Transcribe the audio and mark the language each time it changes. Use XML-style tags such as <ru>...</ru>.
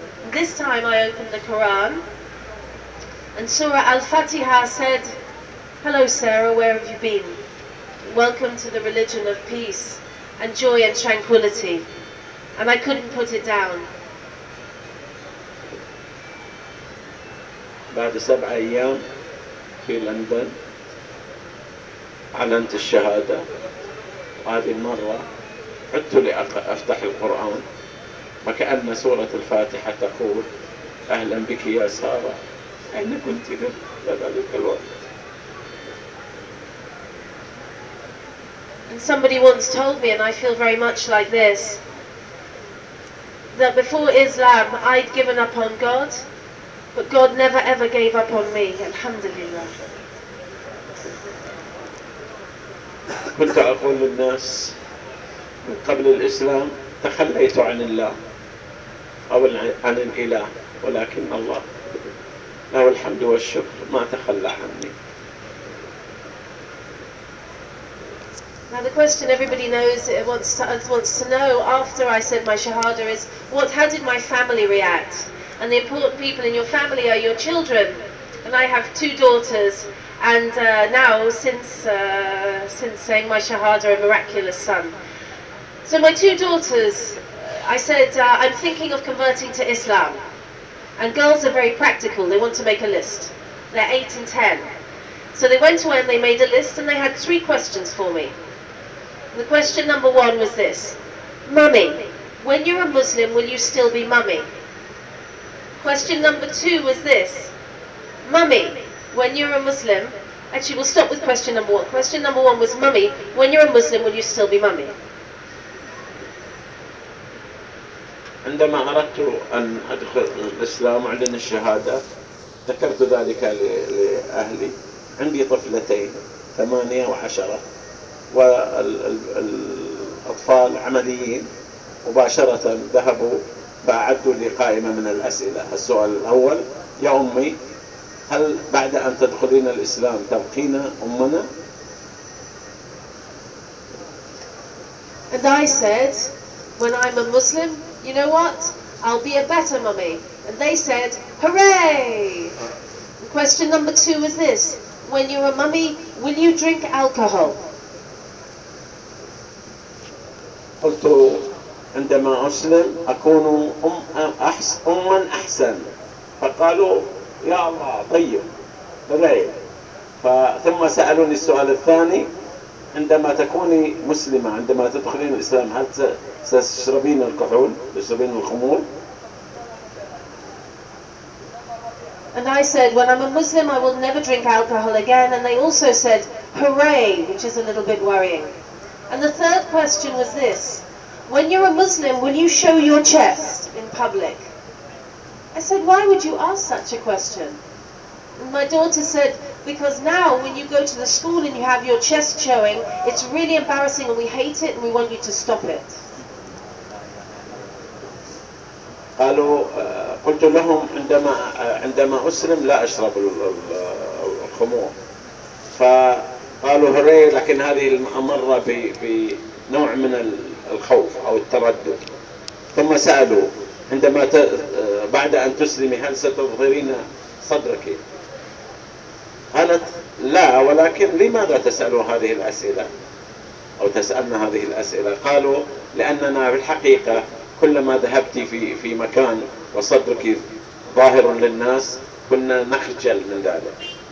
<en>This time I opened the Quran and Surah Al-Fatiha said, hello Sarah, where have you been? Welcome to the religion of peace and joy and tranquility. And I couldn't put it down. After 7 days</en> <ar>في London, أعلنت الشهادة هذه المرة عدت لأفتح القرآن وكأن سورة الفاتحة تقول أهلا بك يا سارة أين كنت في ذلك الوقت</ar> <en>And somebody once told me and I feel very much like this that before Islam I'd given up on God but God never ever gave up on me Alhamdulillah</en> <ar>كنت أقول للناس من قبل الإسلام تخليت عن الله أو عن الإله ولكن الله له الحمد والشكر ما تخلى عني.</ar> <en>Now the question everybody knows wants to know after I said my shahada is how did my family react? And the important people in your family are your children. And I have two daughters. And now, since saying my shahada, a miraculous son. So my two daughters, I said, I'm thinking of converting to Islam. And girls are very practical, they want to make a list. They're 8 and 10. So they went away and they made a list and they had three questions for me. The question number one was this. Mummy, When you're a Muslim, will you still be mummy? Question number two was this. Mummy, when you're a Muslim... Actually, we'll stop with question number one. Question number one was, mummy, when you're a Muslim, will you still be mummy?</en> <ar>عندما أردت أن أدخل الإسلام عندنا الشهادة ذكرت ذلك لأهلي عندي طفلتين 8 و10 والأطفال عمليين مباشرة ذهبوا بعدوا لي قائمة من الأسئلة السؤال الأول يا أمي هل بعد أن تدخلين الإسلام تبقين أمنا؟</ar> <en>And I said when I'm a Muslim You know what? I'll be a better mummy. And they said, hooray! Question number two is this. When you're a mummy, will you drink alcohol?</en> <ar>قلت عندما أسلم أكون أما أحسن. فقالوا يا الله طيب. هراي. ثم سألوني السؤال الثاني. عندما تكوني مسلمة عندما تدخلين الإسلام هل ستشربين الكحول تشربين الخمور؟</ar> <en>And I said when I'm a Muslim I will never drink alcohol again and they also said hooray which is a little bit worrying and the third question was this when you're a Muslim will you show your chest in public? I said why would you ask such a question? And my daughter said Because now, when you go to the school and you have your chest showing, it's really embarrassing and we hate it and we want you to stop it.</en> <ar>قالوا قلت لهم عندما أسلم لا أشرب الخمور. فقالوا هري لكن هذه المرة بنوع من الخوف أو التردد. ثم سألوا عندما بعد أن تسلمي هل ستظهرين صدرك؟ قالت لا ولكن لماذا تسألوا هذه الأسئلة أو تسألنا هذه الأسئلة قالوا لأننا بالحقيقة كلما ذهبت في مكان وصدرك ظاهر للناس كنا نخجل من ذلك</ar>